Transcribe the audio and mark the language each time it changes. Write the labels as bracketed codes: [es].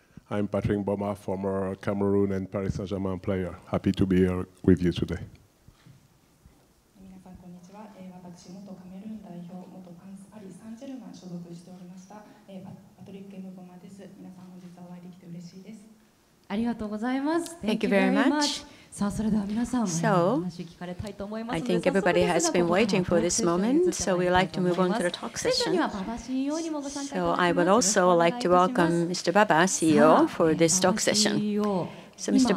[en] I'm Patrick Mboma, former Cameroon and Paris Saint-Germain player. Happy to be here with you today. [ja] 皆さん、こんにちは。私、元カメルーン代表、元パリ・サンジェルマン所属しておりました、パトリック・ムボマです。皆さん、本日はお会いできて嬉しいです。ありがとうございます。 [en] Thank you very much. [ja] さあ、それでは皆さん、 [en] so, [ja] 話聞かれたいと思いますので、 [en] I think everybody has been waiting for this moment, so we'd like to move on to the talk session. So I would also like to welcome Mr. Baba, CEO, for this talk session. So Mr.